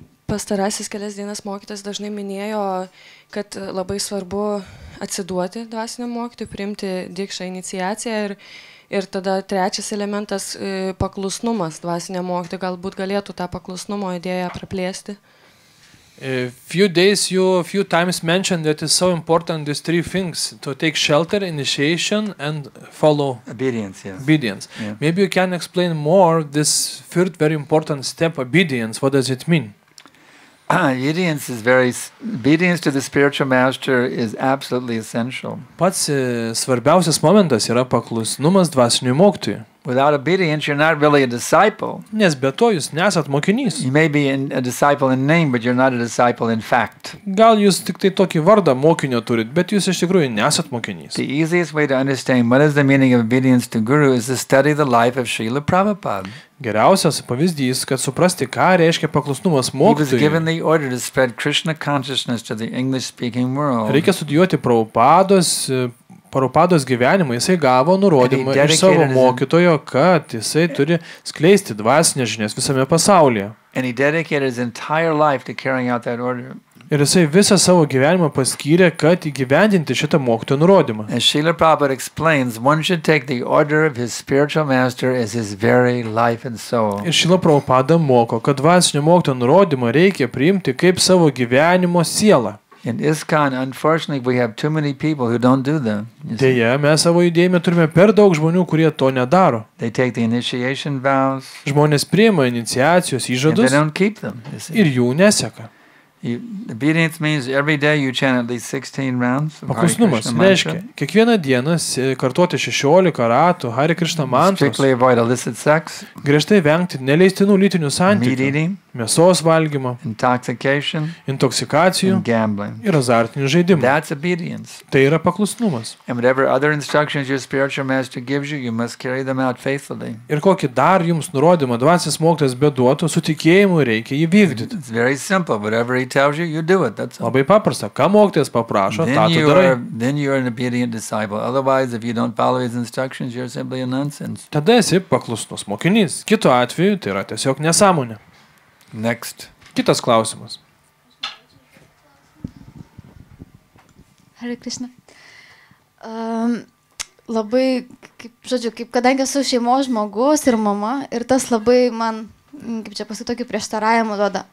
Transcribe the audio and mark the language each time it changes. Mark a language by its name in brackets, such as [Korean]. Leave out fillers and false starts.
[Lithuanian] Pastarąsias kelias dienas mokytas dažnai minėjo, kad labai svarbu atsiduoti dvasiniam mokytui, priimti dikšą iniciaciją ir tada trečias elementas paklusnumas dvasiniam mokytui. Galbūt galėtų tą paklusnumo idėją praplėsti. [English] A few times mentioned that is so important these three things, to take shelter, initiation and follow obedience. Yes. Obedience. Yeah. Maybe you can explain more this third very important step, obedience. What does it mean? Obedience to the spiritual master is absolutely essential. [Lithuanian] Pats svarbiausias momentas yra paklusnumas dvasiniui mokytojui. [English] Without obedience you're not really a disciple. [Lithuanian] Nes be to jūs nesat mokinys. [English] You may be a disciple in name, but you're not a disciple in fact. [Lithuanian] Gal jūs tik tai tokį vardą mokinio turit, bet jūs iš tikrųjų nesat mokinys. [English] The easiest way to understand what is the meaning of obedience to guru is to study the life of Srila Prabhupada. [Lithuanian] Geriausias pavyzdys, kad suprasti, ką reiškia paklusnumas mokytojui. [English] He was given the order to spread Krishna consciousness to the English-speaking world. [Lithuanian] Reikia studijuoti Prabhupados gyvenimą. Jisai gavo nurodymą iš savo mokytojo, kad jisai turi skleisti dvasinės žinias visame pasaulyje. [English] And he dedicated his entire life to carrying out that order. [Lithuanian] Ir jisai visą savo gyvenimą paskyrė, kad įgyvendinti šitą mokytojo nurodymą. [English] As Srila Prabhupada explains, one should take the order of his spiritual master as his very life and soul. [Lithuanian] Ir Srila Prabhupada moko, kad dvasinio mokytojo nurodymą reikia priimti kaip savo gyvenimo sielą. [English] In ISKCON, unfortunately, we have too many people who don't do that. [Lithuanian] Deja, mes savo judėjime turime per daug žmonių, kurie to nedaro. [English] They take the initiation vows. [Lithuanian] Žmonės priima iniciacijos įžadus. [English] They don't keep them. [Lithuanian] Ir jų neseka. [English] Obedience means every day you chant at least 16 rounds. [Lithuanian] Paklusnumas reiškia kiekvieną dieną kartuoti 16 ratų Hare Krishna mantros. [English] Strictly avoid illicit sex. [Lithuanian] Griežtai vengti neleistinų lytinių santykių. Mėsos valgymo, intoksikacijų ir azartinių žaidimų. [English] That's obedience. [Lithuanian] Tai yra paklusnumas. [English] And whatever other instructions your spiritual master gives you, you must carry them out faithfully. [Lithuanian] Ir kokį dar jums nurodymą dvasinis mokytojas beduotų, su tikėjimu reikia jį vykdyti. [English] It's very simple. Whatever he tells you, you do it. That's all. [Lithuanian] Labai paprasta. Ką mokytojas paprašo, tą tu darai. [English] Then you are an obedient disciple. Otherwise, if you don't follow his instructions, you're simply a nonsense. [Lithuanian] Tada esi paklusnus mokinys. Kitu atveju tai yra tiesiog nesąmonė. [English] Next. [Lithuanian] Kitas klausimas. [Sanskrit] Hare Krishna. [Lithuanian] Labai, kaip, žodžiu, kaip, kadangi esu šeimos žmogus ir mama, ir tas labai man, kaip čia pasakyti, tokį prieštaravimą duoda.